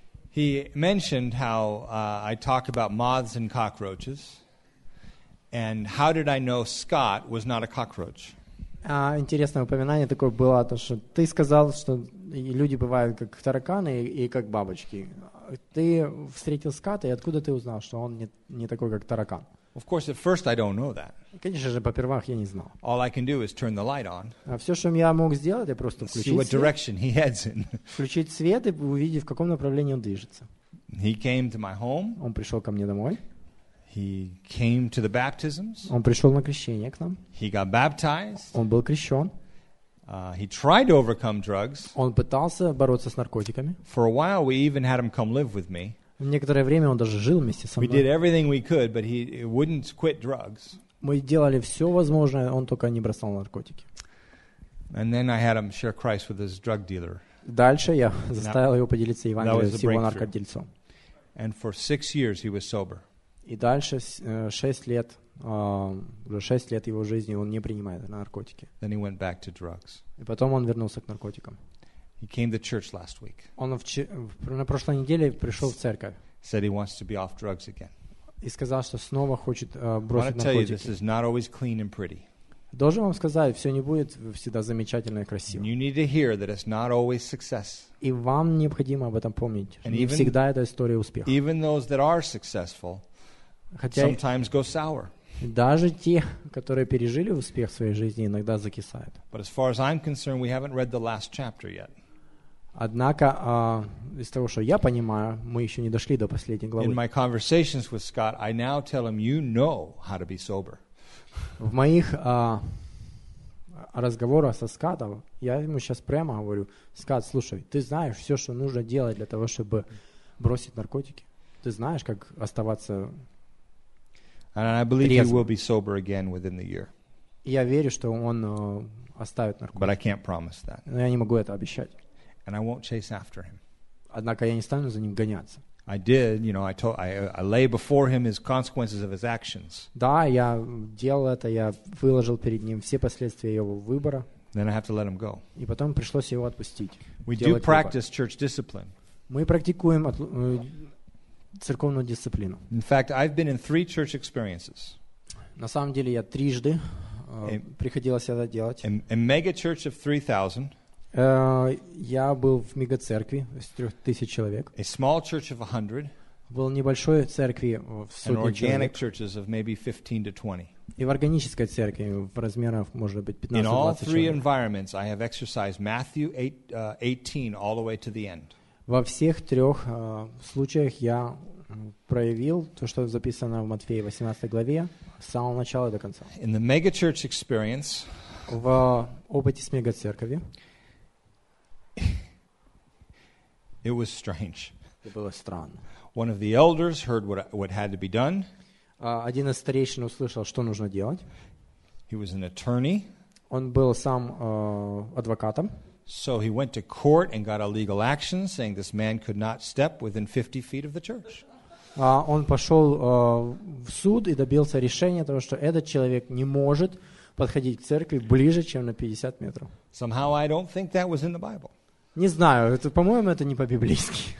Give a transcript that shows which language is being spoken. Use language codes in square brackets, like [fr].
[en] He mentioned how I talk about moths and cockroaches, and how did I know Scott was not a cockroach? [ru] Интересное упоминание такое было, то что ты сказал, что люди бывают как тараканы и как бабочки. Ты встретил Скотта, и откуда ты узнал, что он не такой, как таракан? [en] Of course, at first I don't know that. [ru] Конечно же, попервах я не знал. [en] All I can do is turn the light on. [ru] А все, что я мог сделать, я просто включить свет. [en] See what direction he heads in. [ru] Включить свет и увидеть, в каком направлении он движется. [en] He came to my home. [ru] Он пришел ко мне домой. [en] He came to the baptisms. [ru] Он пришел на крещение к нам. [en] He got baptized. [ru] Он был крещен. [en] He tried to overcome drugs. [ru] Он пытался бороться с наркотиками. [en] For a while, we even had him come live with me. [ru] Некоторое время он даже жил вместе со мной. [en] We did everything we could, but he wouldn't quit drugs. [ru] Мы делали все возможное, он только не бросал наркотики. [en] And then I had him share Christ with his drug dealer. [ru] Дальше я заставил его поделиться Евангелием с его наркодельцом. [en] And for 6 years he was sober. [ru] И дальше 6 лет, уже 6 лет его жизни он не принимает наркотики. [en] Then he went back to drugs. [ru] И потом он вернулся к наркотикам. [en] He came to church last week. [ru] Он на прошлой неделе пришел в церковь. [en] Said he wants to be off drugs again. [ru] И сказал, что снова хочет бросить наркотики. [en] I want to tell you, this is not always clean and pretty. [ru] Должен вам сказать, все не будет всегда замечательно и красиво. [en] You need to hear that it's not always success. [ru] И вам необходимо об этом помнить. [en] And [ru] не [en] even, [ru] всегда это история успеха. [en] Even those that are successful, [ru] хотя [en] sometimes go sour. [ru] Даже те, которые пережили успех в своей жизни, иногда закисают. [en] But as far as I'm concerned, we haven't read the last chapter yet. [ru] Однако, из того, что я понимаю, мы еще не дошли до последней главы. [en] In my conversations with Scott, I now tell him, you know how to be sober. [ru] В моих разговорах со Скаттом, я ему сейчас прямо говорю, Скатт, слушай, ты знаешь все, что нужно делать для того, чтобы бросить наркотики? Ты знаешь, как оставаться трезвым? [en] And I believe he will be sober again within the year. [ru] Я верю, что он оставит наркотики. [en] But I can't promise that. [ru] Но я не могу это обещать. [en] And I won't chase after him. [ru] Однако я не стану за ним гоняться. [en] I did, you know, I lay before him his consequences of his actions. [ru] Да, я делал это, я выложил перед ним все последствия его выбора. [en] Then I have to let him go. [ru] И потом пришлось его отпустить. [en] We do practice church discipline. [ru] Мы практикуем церковную дисциплину. [en] In fact, I've been in 3 church experiences. [ru] На самом деле, я трижды приходилось это делать. [en] A mega church of 3,000. [ru] Я был в мегацеркви из 3000 человек. [en] A small church of 100. [ru] Был в небольшой церкви в сотню человек. [en] And organic churches of maybe 15 to 20. [ru] И в органической церкви в размерах может быть 15-20 человек. [en] In all 3 environments, I have exercised Matthew 18 all the way to the end. [ru] Во всех трех случаях я проявил то, что записано в Матфея 18 главе, с самого начала до конца. [en] In the mega church experience. [ru] В опыте с мегацеркви. [en] It was strange. [ru] Это было странно. [en] One of the elders heard what had to be done. [ru] Один из старейшин услышал, что нужно делать. [en] He was an attorney. [ru] Он был сам адвокатом. [en] So he went to court and got a legal action saying this man could not step within 50 feet of the church. [ru] Он пошел в суд и добился решения того, что этот человек не может подходить к церкви ближе, чем на 50 метров. [en] Somehow I don't think that was in the Bible. [ru] Не знаю, это, по-моему, это не по-библейски.